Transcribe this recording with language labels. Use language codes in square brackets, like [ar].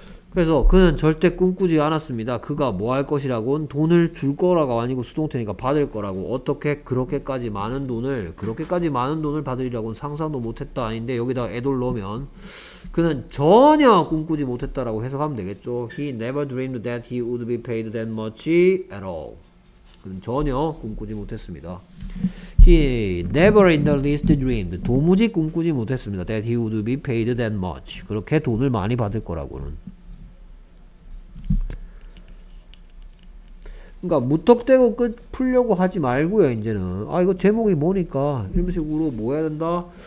[ko] 그래서 그는 절대 꿈꾸지 않았습니다. 그가 뭐 할 것이라고는 돈을 줄 거라고 아니고 수동태니까 받을 거라고 어떻게 그렇게까지 많은 돈을 받으리라고는 상상도 못했다 아닌데 여기다가 애돌 넣으면 그는 전혀 꿈꾸지 못했다라고 해석하면 되겠죠. [en] He never dreamed that he would be paid that much at all. [ko] 그는 전혀 꿈꾸지 못했습니다. [en] He never in the least dreamed. [ko] 도무지 꿈꾸지 못했습니다. [en] That he would be paid that much. [ko] 그렇게 돈을 많이 받을 거라고는. 그러니까 무턱대고 끝 풀려고 하지 말고요. 이제는 아 이거 제목이 뭐니까 이런 식으로 뭐 해야 된다.